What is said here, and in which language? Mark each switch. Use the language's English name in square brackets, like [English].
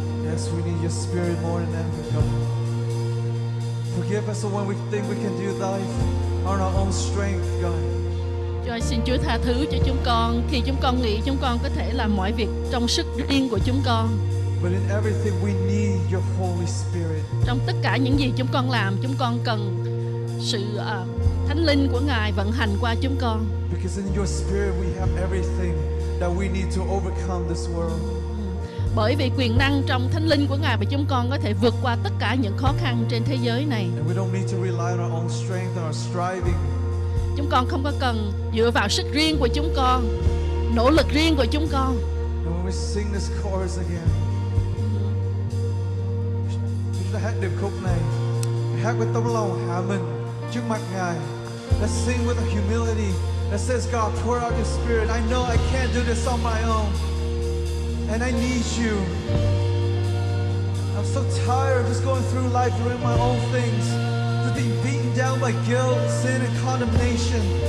[English] Yes, we need your spirit more than ever, God. Forgive us when we think we can do life on our own strength, God. [Vietnamese] Rồi xin Chúa tha thứ cho chúng con khi chúng con nghĩ chúng con có thể làm mọi việc trong sức riêng của chúng con. [English] But in everything we need your Holy Spirit. [Vietnamese] Trong tất cả những gì chúng con làm, chúng con cần sự Thánh Linh của Ngài vận hành qua chúng con. [English] Because in your spirit we have everything that we need to overcome this world. [Vietnamese] Bởi vì quyền năng trong Thánh Linh của Ngài mà chúng con có thể vượt qua tất cả những khó khăn trên thế giới này. [English] And we don't need to rely on our own strength and our striving. [Vietnamese] Chúng con không có cần dựa vào sức riêng của chúng con, nỗ lực riêng của chúng con. [English] And when we sing this chorus again, [Vietnamese] chúng ta hát điệp khúc này, hát với tấm lòng hạ mình trước mặt Ngài. [English] Let's sing with a humility that says, God, pour out your spirit. I know I can't do this on my own. And I need you. I'm so tired of just going through life doing my own things. Beaten down by guilt, sin, and condemnation.